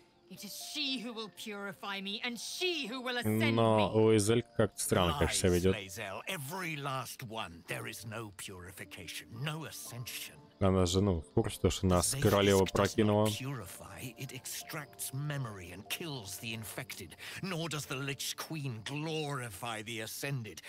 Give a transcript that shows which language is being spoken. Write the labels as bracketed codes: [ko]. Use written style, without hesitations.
[en] It is she who will purify me, and she who will ascend me. [ru] Но Лейзель как-то странно, кажется, ведет. [en] Every last one. There is no purification, no ascension. [ru] Она же, ну, в курсе, то, что нас королева прокинула. [en] Purify, it extracts memory and kills the infected. Nor does the Lich Queen glorify the ascended.